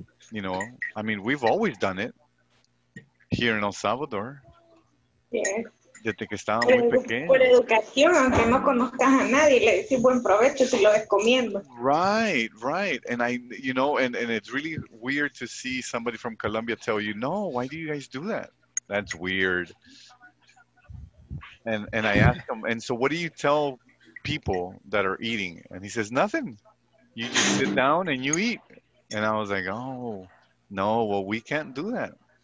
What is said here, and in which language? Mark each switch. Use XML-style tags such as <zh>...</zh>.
<en>You know, I mean, we've always done it here in El Salvador.</en> <es>Sí. Desde que estaba muy pequeño. Por educación, aunque no conozcas a nadie, le decís buen provecho si lo descomiendo.</es> <en>Right, right. And I, you know, and it's really weird to see somebody from Colombia tell you, no, why do you guys do that? That's weird. And I ask him, and so what do you tell people that are eating? And he says, nothing. You just sit down and you eat. And I was like, oh, no, well, we can't do that.</en>